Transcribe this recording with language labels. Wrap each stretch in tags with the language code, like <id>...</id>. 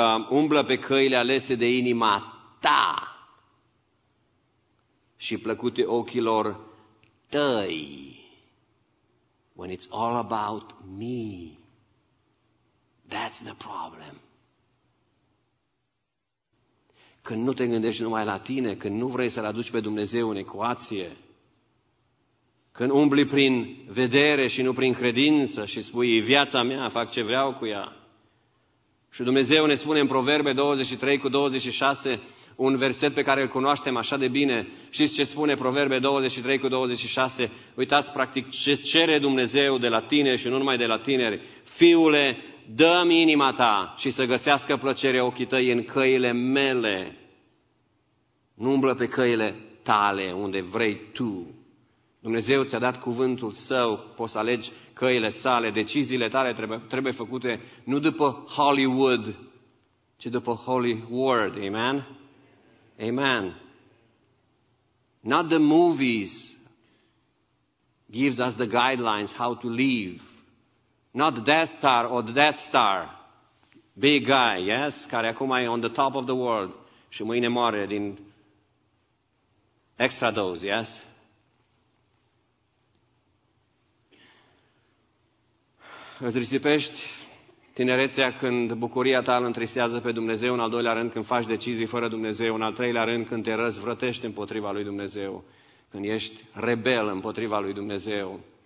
<ro>Umblă pe căile alese de inima ta și plăcute ochilor tăi.</ro> <en>When it's all about me, that's the problem.</en> <ro>Când nu te gândești numai la tine, când nu vrei să-L aduci pe Dumnezeu în ecuație, când umbli prin vedere și nu prin credință și spui, viața mea, fac ce vreau cu ea. Și Dumnezeu ne spune în Proverbe 23:26, un verset pe care îl cunoaștem așa de bine. Știți ce spune Proverbe 23:26? Uitați, practic, ce cere Dumnezeu de la tine și nu numai de la tineri. Fiule, dă-mi inima ta și să găsească plăcere ochii tăi în căile mele. Nu umblă pe căile tale unde vrei tu. Dumnezeu ți-a dat cuvântul Său, poți să alegi căile sale, deciziile tale trebuie făcute nu după Hollywood, ci după Holy Word. Amen? Amen.</ro> <en>Not the movies gives us the guidelines how to live. Not the Death Star or the Death Star. Big guy, yes?</en> <ro>Care acum e</ro> <en>on the top of the world</en> <ro>și mâine moare din</ro> <en>extra dose, yes?</en> <ro>Îți risipești tinerețea când bucuria ta îl întristează pe Dumnezeu, în al doilea rând când faci decizii fără Dumnezeu, în al treilea rând când te răzvrătești împotriva lui Dumnezeu, când ești rebel împotriva lui Dumnezeu.</ro>